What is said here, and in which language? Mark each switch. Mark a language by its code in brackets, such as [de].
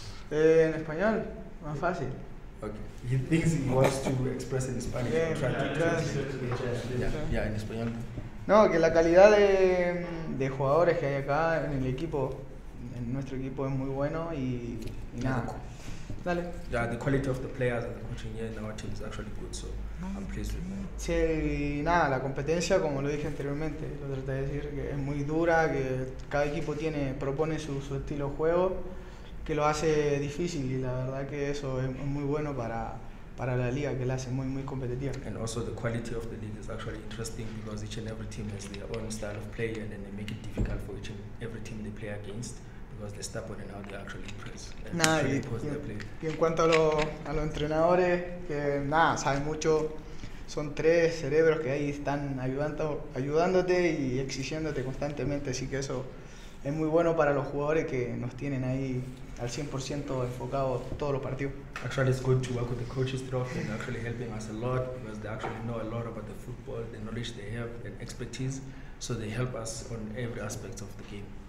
[es] En español, más fácil. [en] Okay. He thinks he wants to express in Spanish. [es] Yeah, en español. No, que la calidad de jugadores que hay acá en el equipo, en nuestro equipo es muy bueno y nada. Dale. [en] Yeah, the quality of the players and the coaching here in our team is actually good, so I'm pleased with that. [es] Sí, nada, la competencia, como lo dije anteriormente, lo traté de decir, que es muy dura, que cada equipo propone su estilo de juego, que lo hace difícil, y la verdad que eso es muy bueno para la liga que la hace muy muy competitiva. [en] And also the quality of the league is actually interesting because each and every team has their own style of play and then they make it difficult for each and every team they play against because they step on and how they actually press and really pose their play. [es] Y en cuanto a los entrenadores que nada saben mucho, son tres cerebros que ahí están ayudándote y exigiéndote constantemente, así que eso es muy bueno para los jugadores que nos tienen ahí al 100% enfocados todos los partidos. [en] Actually, it's good to work with the coaches throughout and actually helping us a lot because they actually know a lot about the football, the knowledge they have and expertise, so they help us on every aspect of the game.